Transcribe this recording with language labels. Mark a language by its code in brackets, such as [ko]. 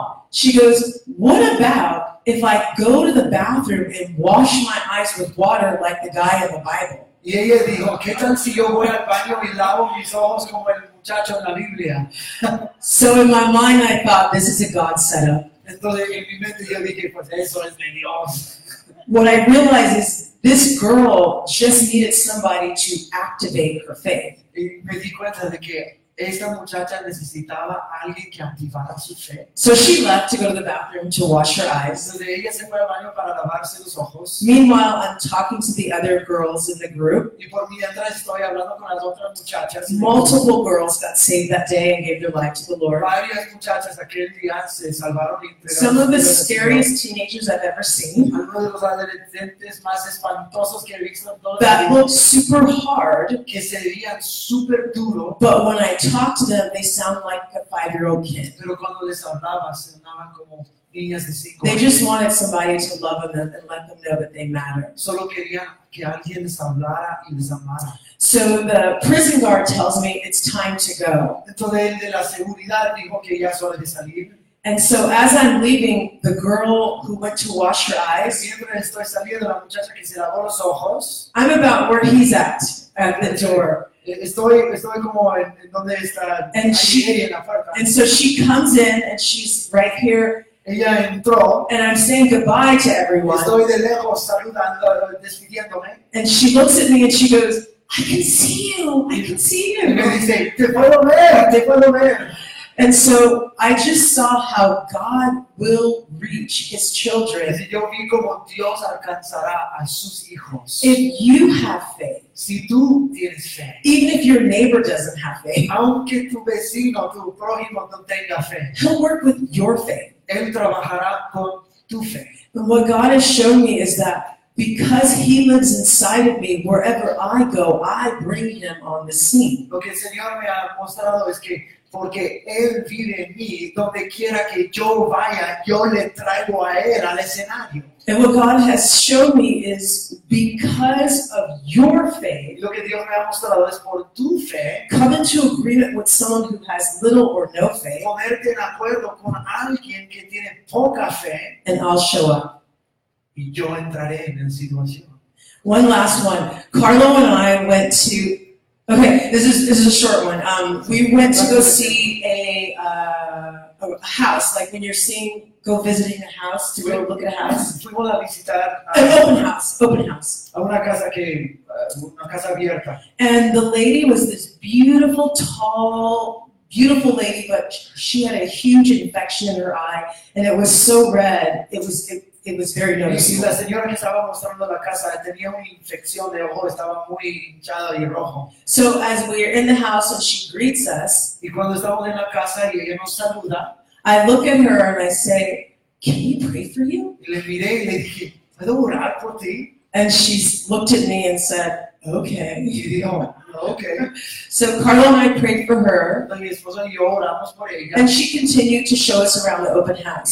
[en] She goes, what about if I go to the bathroom and wash my eyes with water like the guy in the Bible? [es] Y ella dijo, ¿qué tal si yo voy al baño y lavo mis ojos como el muchacho en la Biblia? [en] So in my mind I thought, this is a God setup. [es] Entonces en mi mente yo dije, pues eso es de Dios. [en] What I realized is this girl just needed somebody to activate her faith. [es] Y me di cuenta de que esta muchacha necesitaba alguien que activara su fe. [en] So she left to go to the bathroom to wash her eyes. [es] Entonces ella se fue al baño para lavarse los ojos. [en] Meanwhile, I'm talking to the other girls in the group. [es] Y por mientras estoy hablando con las otras muchachas. [en] Multiple girls got saved that day and gave their life to the Lord. [es] Varias muchachas aquel día se salvaron y entregaron. [en] Some of the scariest teenagers I've ever seen. [es] Algunos de los adolescentes más espantosos que he visto. [en] That looked super hard. [es] Que se veían super duro. [en] But when I talk to them, they sound like a five-year-old kid. [es] Pero cuando les hablaba, sonaban como niñas de cinco. [en] They just wanted somebody to love them and let them know that they matter. [es] Solo quería que alguien les hablara y les amara. [en] So the prison guard tells me it's time to go. [es] Entonces el de la seguridad dijo que ya es hora de salir. [en] And so as I'm leaving, the girl who went to wash her eyes, [es] estoy saliendo, la muchacha que se lavó los ojos, [en] I'm about where he's at the door. [es] Estoy como en donde está, [en] and she, and so she comes in and she's right here. [es] Ella entró, [en] and I'm saying goodbye to everyone. [es] Estoy de lejos saludando, despidiéndome. [en] And she looks at me and she goes, I can see you. I can see you. [es] Y me dice, te puedo ver, te puedo ver. [en] And so I just saw how God will reach his children. [es] Yo vi como Dios alcanzará a sus hijos. [en] If you have faith, [es] si tú tienes fe, [en] even if your neighbor doesn't have faith, [es] aunque tu vecino, tu prójimo no tenga fe, [en] he'll work with your faith. [es] Él trabajará con tu fe. [en] But what God has shown me is that because he lives inside of me, wherever I go, I bring him on the scene. [es] Lo que el Señor me ha mostrado es que porque él vive en mí, donde quiera que yo vaya, yo le traigo a él al escenario. [en] And what God has shown me is because of your faith, [es] lo que Dios me ha mostrado es por tu fe, [en] come into agreement with someone who has little or no faith, [es] ponerte en acuerdo con alguien que tiene poca fe, [en] and I'll show up. [es] Y yo entraré en la situación. [en] One last one. Carlo and I went to, okay, this is a short one. We went to go see a house, like when you're seeing, go visiting a house, to go look at a house. [es] Fuimos a visitar [en] an open house. [es] A una casa abierta. [en] And the lady was this beautiful, tall, beautiful lady, but she had a huge infection in her eye, and it was so red, it was very noticeable. [es] La señora que estaba mostrando la casa tenía una infección de ojo, estaba muy hinchado y rojo. [en] So as we are in the house and she greets us, [es] y cuando estamos en la casa y ella nos saluda, [en] I look at her and I say, can you pray for you? [es] Y le miré y le dije, ¿puedo orar por ti? [en] And she looked at me and said, Okay. [es] Y dijo, okay. [en] So Carla and I prayed for her. [es] Y mi esposa y yo oramos por ella. [en] And she continued to show us around the open house.